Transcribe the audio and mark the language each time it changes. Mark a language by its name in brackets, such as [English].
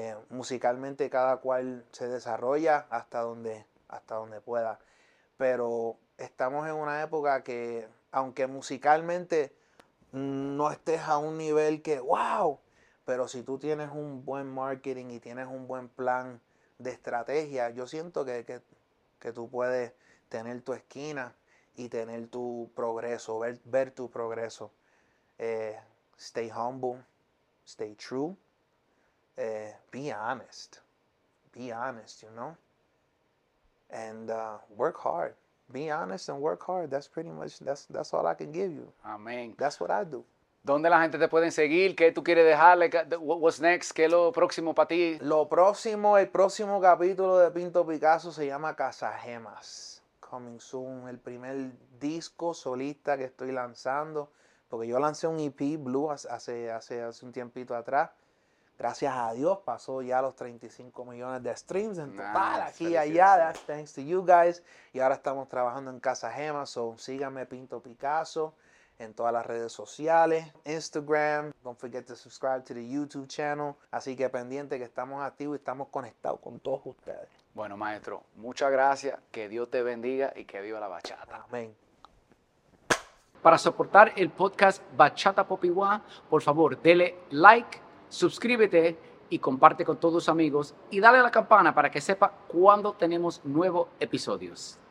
[Spanish] Musicalmente cada cual se desarrolla hasta donde pueda, pero estamos en una época que aunque musicalmente no estés a un nivel que wow, pero si tú tienes un buen marketing y tienes un buen plan de estrategia, yo siento que tú puedes tener tu esquina y tener tu progreso, ver tu progreso. [English] Stay humble, stay true. Be honest, you know, and work hard. Be honest and work hard. That's all I can give you. [Spanish] Amén. [English] That's what I do. [Spanish] ¿Dónde la gente te puede seguir? ¿Qué tú quieres dejarle? [English] What's next? [Spanish] ¿Qué es lo próximo para ti? Lo próximo, el próximo capítulo de Pinto Picasso se llama Casagemas. [English] Coming soon. [Spanish] El primer disco solista que estoy lanzando, porque yo lancé un EP Blue hace un tiempito atrás. Gracias a Dios pasó ya los 35 millones de streams en total, aquí y allá. [English] That's thanks to you guys. [Spanish] Y ahora estamos trabajando en Casa Gema. So síganme Pinto Picasso en todas las redes sociales, Instagram. [English] Don't forget to subscribe to the YouTube channel. [Spanish] Así que pendiente que estamos activos y estamos conectados con todos ustedes. Bueno, maestro, muchas gracias. Que Dios te bendiga y que viva la bachata. Amén. Para soportar el podcast Bachata POpiwa, por favor, dele like. Suscríbete y comparte con todos tus amigos y dale a la campana para que sepa cuando tenemos nuevos episodios.